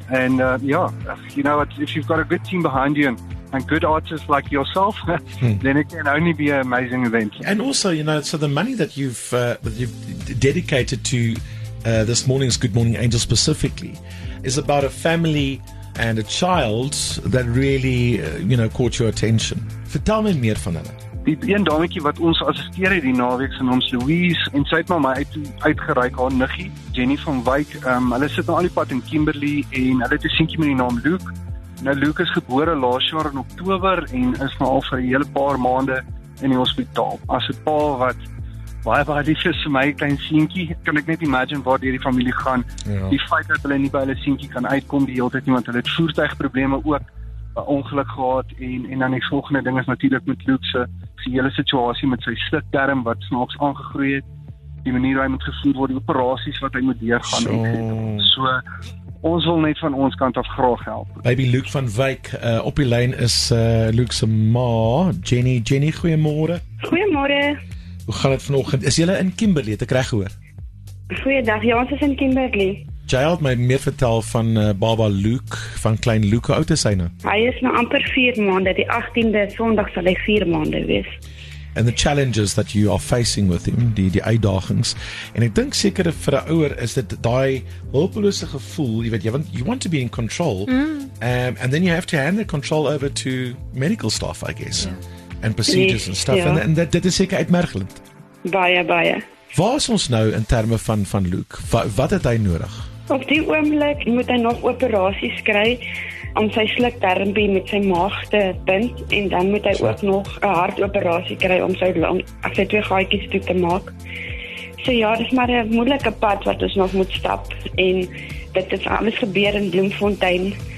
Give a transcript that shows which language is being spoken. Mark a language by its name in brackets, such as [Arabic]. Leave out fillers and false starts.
[English] And you know, if you've got a good team behind you and good artists like yourself, then it can only be an amazing event. And also, you know, so the money that you've dedicated to this morning's Good Morning Angel specifically is about a family and a child that really, you know, caught your attention. [Afrikaans] Vertel my meer van hulle. Die een dametjie wat ons assisteer het die naweek se naam is Louise en sy het maar my uitgereik haar niggie Jenny van Wyk. Hulle sit nou al die pad in Kimberley en hulle het 'n seentjie met die naam Luke. Nou Luke is gebore laas jaar in Oktober en is nou al vir 'n hele paar maande in die hospitaal. As 'n pa wat baie baie lief is vir my klein seentjie, kan ek net imagine waar die familie gaan. Ja. Die feit dat hulle nie by hulle seentjie kan uitkom die hele tyd nie, want hulle het voertuigprobleme ook. Ongeluk gehad en dan die volgende ding is natuurlik met Luke se hele situasie met sy slukdarm wat snaaks aangegroei het, die manier hoe hy moet gevoer word, die operasies wat hy moet deurgaan so. So ons wil net van ons kant af graag help. Baby Luke van Wyk, op die lyn is Luke se ma, Jenny. Jenny, goeiemôre. Goeiemôre. Hoe gaan dit vanoggend? Is julle in Kimberley, het ek reg gehoor? Goeiedag, ja, ons is in Kimberley. Child, my meer vertel van Baba Luke, van klein Luke, oud is hy nou? Hy is nou amper 4 maande, die 18de Sondag sal hy 4 maande wees. [English] And the challenges that you are facing with him, [Afrikaans] die uitdagings, en ek dink seker vir 'n ouer is dit daai hulpelose gevoel, jy weet, [English] you want to be in control, and then you have to hand the control over to medical staff, I guess, and procedures and stuff, [Afrikaans] ja. And dit is seker uitmergelend. Baie, baie. Waar is ons nou in terme van Luke? Wat het hy nodig? Op die oomblik moet hy nog operasies kry om sy slukdarmpie met sy maag te bind en dan moet hy ook nog 'n hartoperasie kry om sy twee gaatjies toe te maak. So ja, dis maar 'n moeilike pad wat ons nog moet stap en dit het alles gebeur in Bloemfontein.